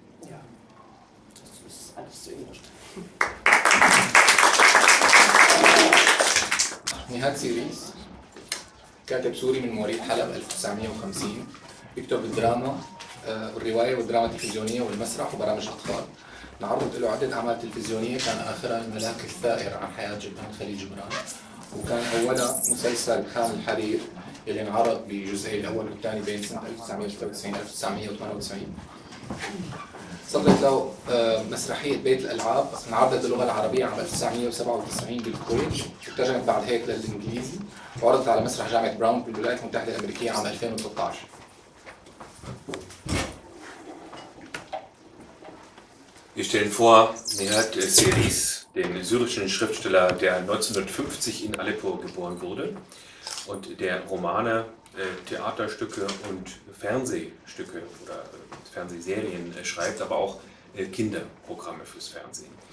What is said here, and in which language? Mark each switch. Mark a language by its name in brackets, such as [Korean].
[German] Ja, das ist alles zu Ihnen. [Arabic] Nihat Sidis, كاتب سوري من مواليد حلب 1950، يكتب الدراما والرواية والدراما التلفزيونية والمسرح وبرامج أطفال. نعرض له عدة أعمال تلفزيونية، كان آخرها الملاك الثائر عن حياة جبران خليل جبران، وكان أولها مسلسل خان الحرير اللي انعرض بجزئين الأول والثاني بين سنة 1993 1998. صدرت له مسرحية بيت الألعاب، انعرضت باللغة العربية عام 1997 بالكويت، وترجمت بعد هيك للإنجليزي، وعرضت على مسرح جامعة براون بالولايات المتحدة الأمريكية عام 2013. [German] Wir stellen vor Nihat Sidis, den syrischen Schriftsteller, der 1950 in Aleppo geboren wurde und der Romane, Theaterstücke und Fernsehstücke oder Fernsehserien schreibt, aber auch Kinderprogramme fürs Fernsehen.